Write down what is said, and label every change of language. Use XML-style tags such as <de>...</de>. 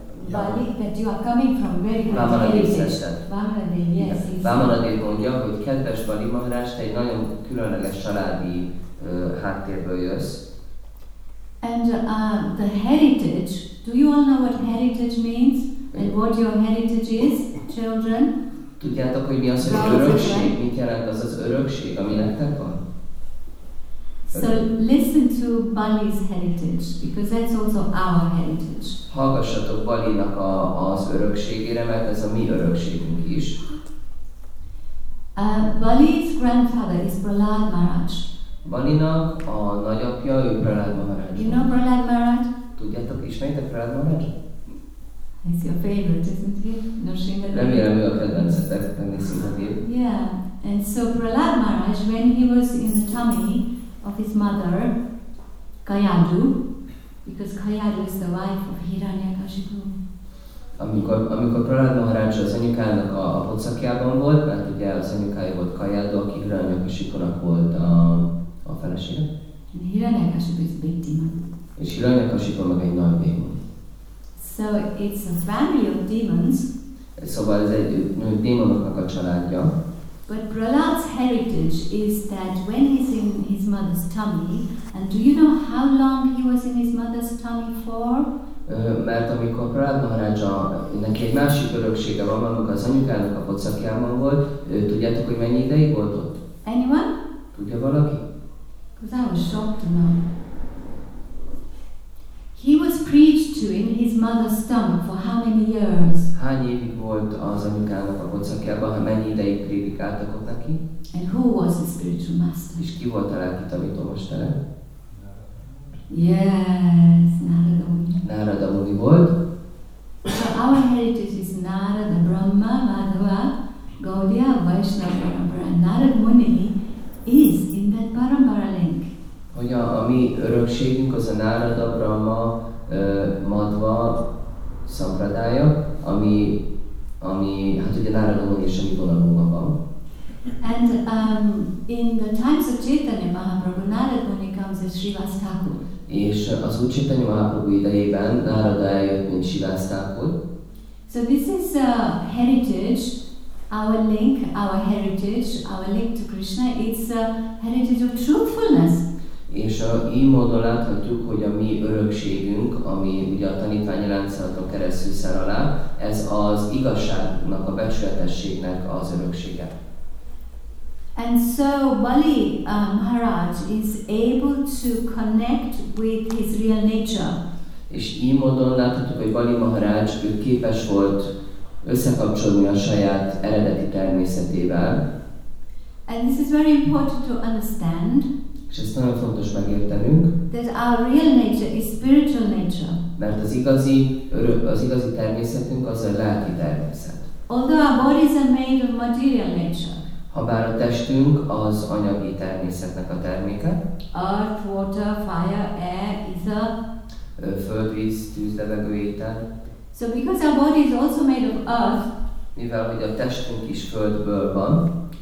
<en>Bali, that you are coming from very good heritage.</en> <hu>Vamanadev mondja, hogy kedves Bali Maharaj, te egy nagyon különleges családi háttérből jössz.</hu> <en>And the heritage, do you all know what heritage means? And what your heritage is, children?</en> <hu>Tudjátok, hogy mi az, hogy örökség? Mit jelent az az örökség, ami nektek van?</hu> <en>So listen to Bali's heritage, because that's also our heritage.</en> <hu>Hallgassatok Bali-nak az örökségére, mert ez a mi örökségünk is.</hu> <en>Bali's grandfather is Prahlad Maharaj.</en> <hu>Bali-nak a nagyapja, ő Prahlad Maharaj.</hu> <en>You know Prahlad Maharaj?</en> <hu>Tudjátok, ismeritek Prahlad Maharaj?</hu> <en>He's your favorite, isn't he? Nrsimhadev.</en> <hu>Remélem, ő a kedvencetek, Nrsimhadev.</hu> <en>Yeah, and so Prahlad Maharaj, when he was in the tummy of his mother, Kayadu, because Kayadu is the wife of Hiranyakashipu.</en> <hu>Amikor Prahlad Maharaj az anyukának a pocakjában volt, mert ugye az anyukája volt Kayadu, aki Hiranyakashipunak volt a felesége.</hu> <en>And Hiranyakashipu is a big demon.</en> <hu>És Hiranyakashipu meg egy nagy démon.</hu> <en>So it's a family of demons.</en> <hu>Szóval ez egy démonoknak a családja.</hu> <en>But Prahlad's heritage is that when he's in his mother's tummy, and do you know how long he was in his mother's tummy for?</en> <hu>Mert amikor Prahlad Maharaj, neki egy másik öröksége van, amikor az anyukának a pocakjában volt, tudjátok, hogy mennyi ideig volt ott?</hu> <en>Anyone?</en> <hu>Tudja valaki?</hu> <en>Because I was shocked to know. He was preached to in his mother's tummy for how many years?</en> <hu>Hány évig volt az anyukának a pocakjában, ha mennyi ideig prédikáltak ott neki?</hu> <en>And who was the spiritual master?</en> <hu>És ki volt a lelki tanítómestere?</hu> <en>Yes, Narada Muni.</en> <hu>Narada Muni volt.</hu> <en>So our heritage is Narada, Brahma, Madhava, Gaudiya, Vaishnava, Parampara. Narada Muni is in that Parampara link.</en> <hu>Hogy a mi örökségünk az a Narada, Brahma, Madhva szampradája, ami hát ugye Narada Muni és a mi vonalunkban van.</hu> <en>And in the times of Chaitanya Mahaprabhu, Narada Muni comes as Srivas Thakur.</en> <hu>És az Úr Chaitanya Mahaprabhu idejében Narada eljött, mint Srivas Thakur.</hu> <en>So this is a heritage. Our link, our heritage, our link to Krishna, it's a heritage of truthfulness.</en> <hu>És így módon láthatjuk, hogy a mi örökségünk, ami ugye a tanítványi rendszeraton keresztül szer alá, ez az igazságnak, a becsületességnek az öröksége.</hu> <en>And so Bali Maharaj is able to connect with his real nature.</en> <hu>És így módon láthatjuk, hogy Bali Maharaj képes volt összekapcsolni a saját eredeti természetével.</hu> <en>And this is very important to understand.</en> <hu>És ezt nagyon fontos megértenünk.</hu> <en>That our real nature is spiritual nature.</en> <hu>Mert az igazi természetünk az a lelki természet.</hu> <en>Although our bodies are made of material nature.</en> <hu>Habár a testünk az anyagi természetnek a terméke.</hu> <en>Earth, water, fire, air, ether.</en> <hu>Föld, víz, tűz, levegő, éter.</hu> <en>So because our body is also made of earth.</en> <hu>Mivel hogy a testünk is földből van.</hu>